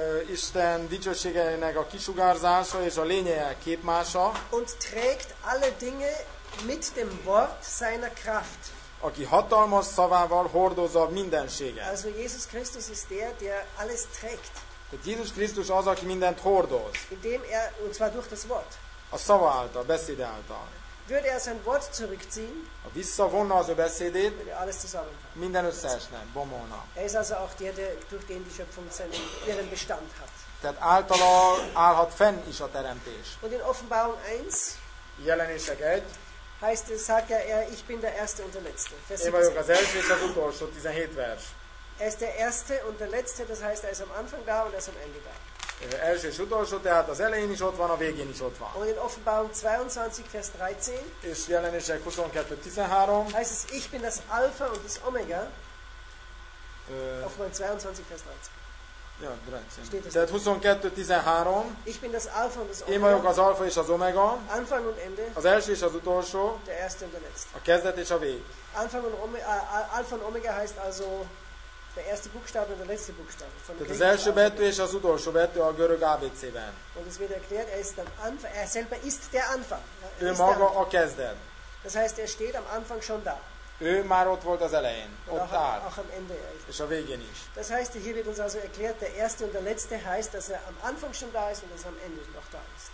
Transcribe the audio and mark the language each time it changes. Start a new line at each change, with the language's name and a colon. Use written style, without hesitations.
Hungarian: Isten dicsőségének a kisugárzása és a lényeje képmása.
German: Und trägt alle Dinge mit dem Wort seiner Kraft.
Hungarian: Aki hatalmas szavával hordozza mindenséget.
German: Also Jesus Christus ist der, der alles trägt.
Hungarian: Tehát Jézus Krisztus az, aki mindent hordoz.
German: Indem er, und zwar durch das Wort.
Hungarian: A szava által, beszéde által.
German: Würde er sein Wort zurückziehen,
Hungarian: ha visszavonna az ő beszédét,
German: alles
Hungarian: minden összeesne, bomolna.
German: Er ist also auch der, durch den die Schöpfung seinen ihren Bestand hat.
Hungarian: Tehát általa állhat fenn is a teremtés.
German: Und in Offenbarung 1,
Hungarian: Jelenések 1,
German: heißt es, sagt er, ich bin der Erste und der Letzte.
Hungarian: Én vagyok az első és az utolsó, 17 vers.
German: Er ist der Erste und der Letzte, das heißt, er ist am Anfang da und er ist am Ende da.
Hungarian: Első és utolsó, tehát az elején is ott van, a végén is ott van.
German: Und in Offenbarung 22, Vers 13,
Hungarian: és Jelenések 22:13,
German: heißt es, ich bin das Alpha und das Omega. Offenbarung 22, Vers 13.
Hungarian: Ja, 13. Tehát 22:13,
German: ich bin das Alpha und das Omega.
Hungarian: Én vagyok az Alpha és az Omega.
German: Anfang und Ende.
Hungarian: Az első és az utolsó.
German: Der Erste und der Letzte.
Hungarian: A kezdet és a vég.
German: Anfang und Omega, Alpha und Omega heißt also der erste Buchstabe und der letzte Buchstabe.
Hungarian: Tehát az első betű és az utolsó betű a görög ABC-ben.
German: Und es wird erklärt, er ist am Anfang, er selber ist der Anfang.
Hungarian: Ő maga a kezdet.
German: Das heißt, er steht am Anfang schon da.
Hungarian: Ő már ott volt az elején, ott áll.
German: Auch am Ende.
Hungarian: És a végén is.
German: Das heißt, hier wird uns also erklärt, der erste und der letzte heißt, dass er am Anfang schon da ist und dass er am Ende noch da ist.